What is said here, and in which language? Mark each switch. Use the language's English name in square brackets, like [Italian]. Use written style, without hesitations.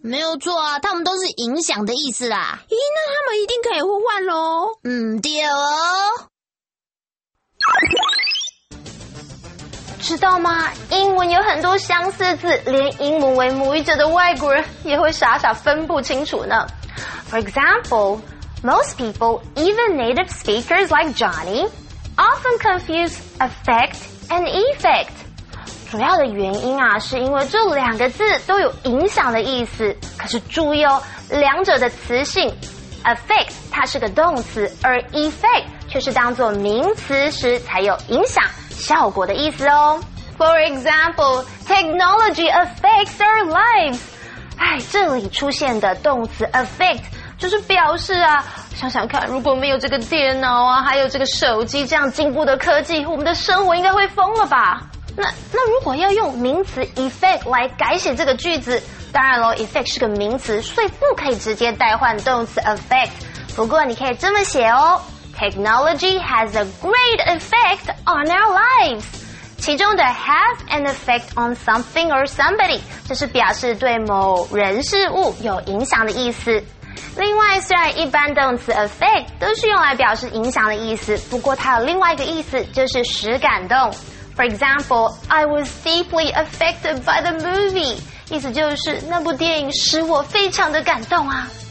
[Chinese] 没有错啊，他们都是影响的意思啦。咦，那他们一定可以互换咯。对哦。知道吗？英文有很多相似字，连英文为母语者的外国人也会傻傻分不清楚呢。 [English] For example,Most people, even native speakers like Johnny, often confuse affect and effect. [Chinese] 主要的原因啊，是因为这两个字都有影响的意思。可是注意哦，两者的词性 ，affect 它是个动词，而 effect 却是当作名词时才有影响、效果的意思哦。 [English] For example, technology affects our lives. [Chinese] 这里出现的动词 affect。就是表示啊，想想看，如果没有这个电脑啊，还有这个手机这样进步的科技，我们的生活应该会疯了吧？那如果要用名词 effect 来改写这个句子，当然咯 ，effect 是个名词，所以不可以直接代换动词 affect。不过你可以这么写哦 ， [English] Technology has a great effect on our lives。 [Chinese] 其中的 [English] have an effect on something or somebody， [Chinese] 这是表示对某人事物有影响的意思。另外，虽然一般动词 affect 都是用来表示影响的意思，不过它有另外一个意思，就是使感动。 [English] For example, I was deeply affected by the movie. [Chinese] 意思就是那部电影使我非常的感动啊。